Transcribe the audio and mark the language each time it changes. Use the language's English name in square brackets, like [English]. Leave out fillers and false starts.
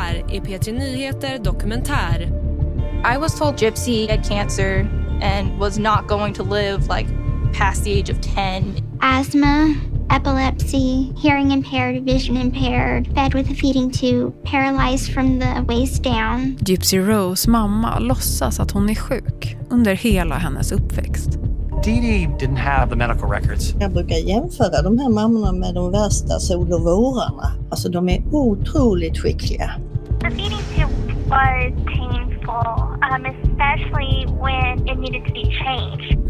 [Swedish] är P3 Nyheter dokumentär. [English] I was told Gypsy had cancer and was not going to live like past the age of 10. Asthma, epilepsy, hearing impaired, vision impaired, fed with a feeding tube, paralyzed from the waist down. [Swedish] Gypsy Rose mamma låtsas att hon är sjuk under hela hennes uppväxt. [English] Dee Dee didn't have the medical records. [Swedish] Jag brukar jämföra de här mammorna med de värsta sol- och vårarna. Alltså de är otroligt skickliga. [English] The feeding tube was painful, especially when it needed to be changed.